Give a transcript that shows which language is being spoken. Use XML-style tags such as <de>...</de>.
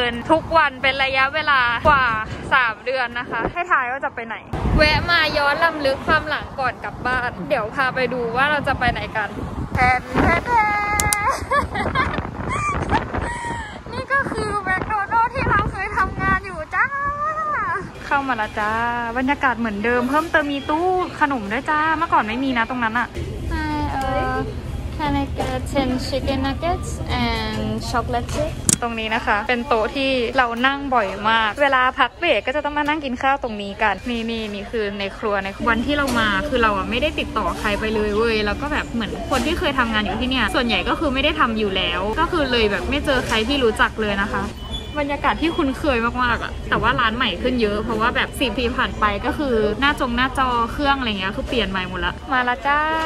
<th>ทุกวันเป็นระยะเวลากว่า3เดือนนะคะให้ทายว่าจะไปไหนแวะมาย้อนรำลึกความหลังก่อนกลับบ้านเดี๋ยวพาไปดูว่าเราจะไปไหนกันแพนแพนี่ก็คือแมคโดนัลด์ที่เราเคยทำงานอยู่จ้าเข้ามาแล้วจ้าบรรยากาศเหมือนเดิมเพิ่มเติมมีตู้ขนมด้วยจ้าเมื่อก่อนไม่มีนะตรงนั้นอะ</th> <en>Can I get 10 chicken nuggets and chocolate chips</en> <th>ตรงนี้นะคะเป็นโต๊ะที่เรานั่งบ่อยมากเวลาพักเบรกก็จะต้องมานั่งกินข้าวตรงนี้กันนี่คือในครัวในวันที่เรามาคือเราอ่ะไม่ได้ติดต่อใครไปเลยเว้ยแล้วก็แบบเหมือนคนที่เคยทำงานอยู่ที่เนี่ยส่วนใหญ่ก็คือไม่ได้ทำอยู่แล้วก็คือเลยแบบไม่เจอใครที่รู้จักเลยนะคะบรรยากาศที่คุ้นเคยมากๆอ่ะแต่ว่าร้านใหม่ขึ้นเยอะเพราะว่าแบบ4ปีผ่านไปก็คือหน้าจอเครื่องอะไรเงี้ยคือเปลี่ยนใหม่หมดละมาละจ้า</th>